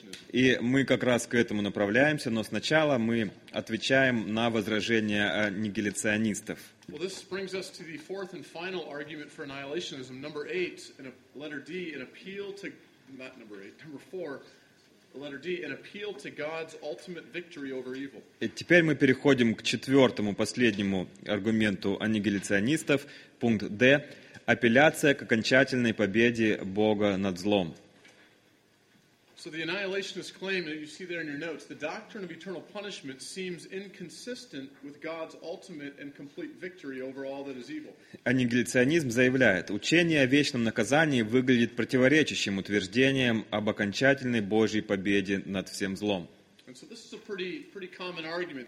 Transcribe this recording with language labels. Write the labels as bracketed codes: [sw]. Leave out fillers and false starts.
[ru] И мы как раз к этому направляемся, но сначала мы отвечаем на возражения аннигиляционистов. [en] Well, this brings us to the fourth and final argument for annihilationism, number eight, in a letter D, an appeal to God's ultimate victory over evil. [ru] И теперь мы переходим к четвертому, последнему аргументу аннигиляционистов, пункт D, апелляция к окончательной победе Бога над злом. [en] So the annihilationist claim that you see there in your notes, the doctrine of eternal punishment seems inconsistent with God's ultimate and complete victory over all that is evil. [ru] Аннигиляционизм заявляет, учение о вечном наказании выглядит противоречащим утверждениям об окончательной Божьей победе над всем злом. [en] And so this is a pretty common argument.